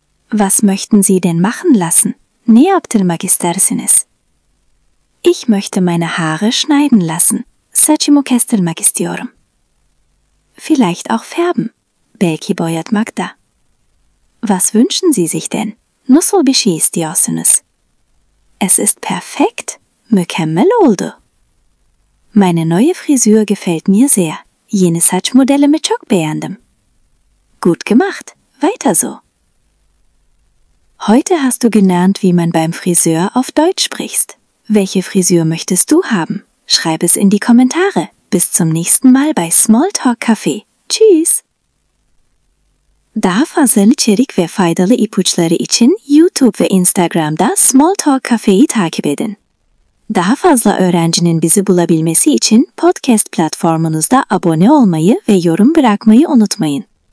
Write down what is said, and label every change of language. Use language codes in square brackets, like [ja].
[de] Was möchten Sie denn machen lassen? [tr] Ne yaptırmak istersiniz? [de] Ich möchte meine Haare schneiden lassen. [tr] Saçımı kestirmek istiyorum. [de] Vielleicht auch färben. [tr] Belki boyatmak da. [de] Was wünschen Sie sich denn? [tr] Nasıl bir şey istiyorsunuz? [de] Es ist perfekt. [tr] Mükemmel oldu. [de] Meine neue Frisur gefällt mir sehr. [tr] Yeni saç modelimi çok beğendim. [de] Gut gemacht. Weiter so. Heute hast du gelernt, wie man beim Friseur auf Deutsch spricht. Welche Frisur möchtest du haben? Schreib es in die Kommentare. Bis zum nächsten Mal bei Smalltalk Café. Tschüss! [tr] Daha fazla içerik ve faydalı ipuçları için YouTube ve Instagram'da Smalltalk Café'yi takip edin. Daha fazla öğrencinin bizi bulabilmesi için podcast platformunuzda abone olmayı ve yorum bırakmayı unutmayın.